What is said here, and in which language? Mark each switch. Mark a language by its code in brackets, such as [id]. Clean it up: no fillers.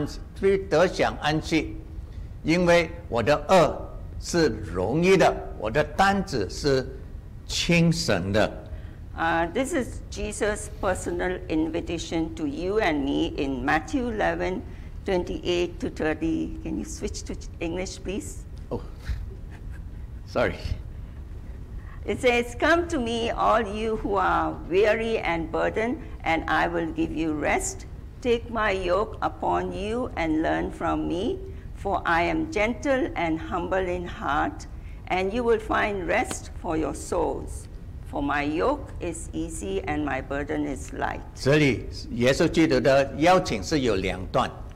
[zh] 这也是耶稣基督的邀请，耶稣基督在马太福音这样邀请我们，他说，凡劳苦担重担的人可以到我这里来，我就使你们得安息。我心里柔和谦卑，你们当负我的轭，学我的样式，这样你们的心里就必得享受安息，必得享安息。因为我的轭是容易的，我的担子是轻省的。 [en] This is Jesus' personal invitation to you and me in Matthew 11, 28-30. Can you switch to English, please? Oh, sorry. It says, come to me, all you who are weary and burdened, and I will give you rest. Take my yoke upon you and learn from me. For I am gentle and humble in heart, and you will find rest for your souls. For my yoke is easy and my burden is light. [zh] 这里耶稣基督的邀请是有两段。